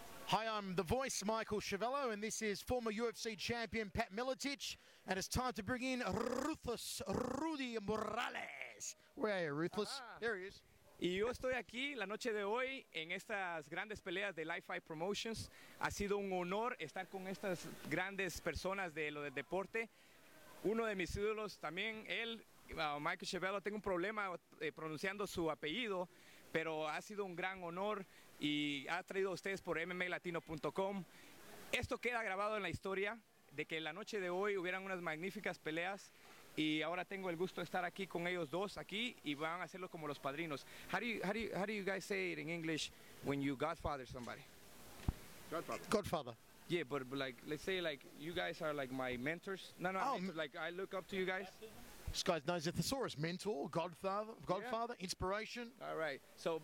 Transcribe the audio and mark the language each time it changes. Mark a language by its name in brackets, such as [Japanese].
[English] Hi, I'm the voice, Michael Schiavello, and this is former UFC champion Pat Miletich, and it's time to bring in Ruthless Rudy Morales. Where are you, Ruthless? There he is. [Spanish] Y yo estoy aquí la noche de hoy en estas grandes peleas de Life Fight Promotions. Ha sido un honor estar con estas grandes personas de lo del deporte. Uno de mis ídolos también, él, Michael Schiavello. Tengo un problema pronunciando su apellido, pero ha sido un gran honor y ha traído a ustedes por MMALatino.com. Esto queda grabado en la historia de que la noche de hoy hubieran unas magníficas peleas y ahora tengo el gusto de estar aquí con ellos dos aquí y van a hacerlo como los padrinos. [English] How do you guys say it in English when you godfather somebody? Godfather. Yeah, but like, let's say like you guys are like my mentors. Like I look up to you guys. This guy knows a thesaurus, mentor, godfather, yeah. Inspiration. All right. So